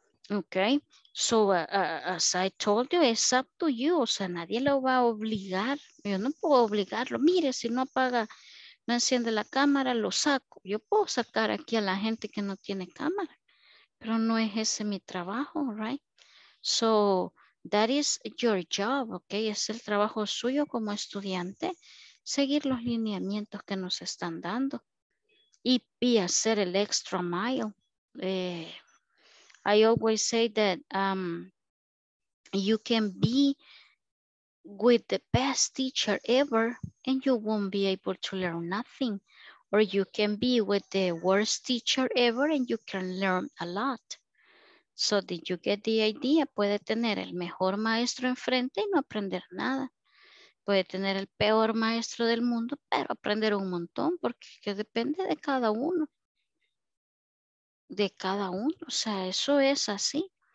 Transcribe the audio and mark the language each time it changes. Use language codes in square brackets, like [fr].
[en] Okay, so as I told you, it's up to you, [es] o sea, nadie lo va a obligar, yo no puedo obligarlo, mire, si no apaga, no enciende la cámara, lo saco, yo puedo sacar aquí a la gente que no tiene cámara, pero no es ese mi trabajo, right? [en] So, that is your job, okay, [es] es el trabajo suyo como estudiante, seguir los lineamientos que nos están dando y hacer el extra mile. [en] I always say that you can be with the best teacher ever and you won't be able to learn nothing. Or you can be with the worst teacher ever and you can learn a lot. So did you get the idea? [es] Puede tener el mejor maestro enfrente y no aprender nada. Puede tener el peor maestro del mundo, pero aprender un montón, porque que depende de cada uno. De cada uno, o sea, eso es así.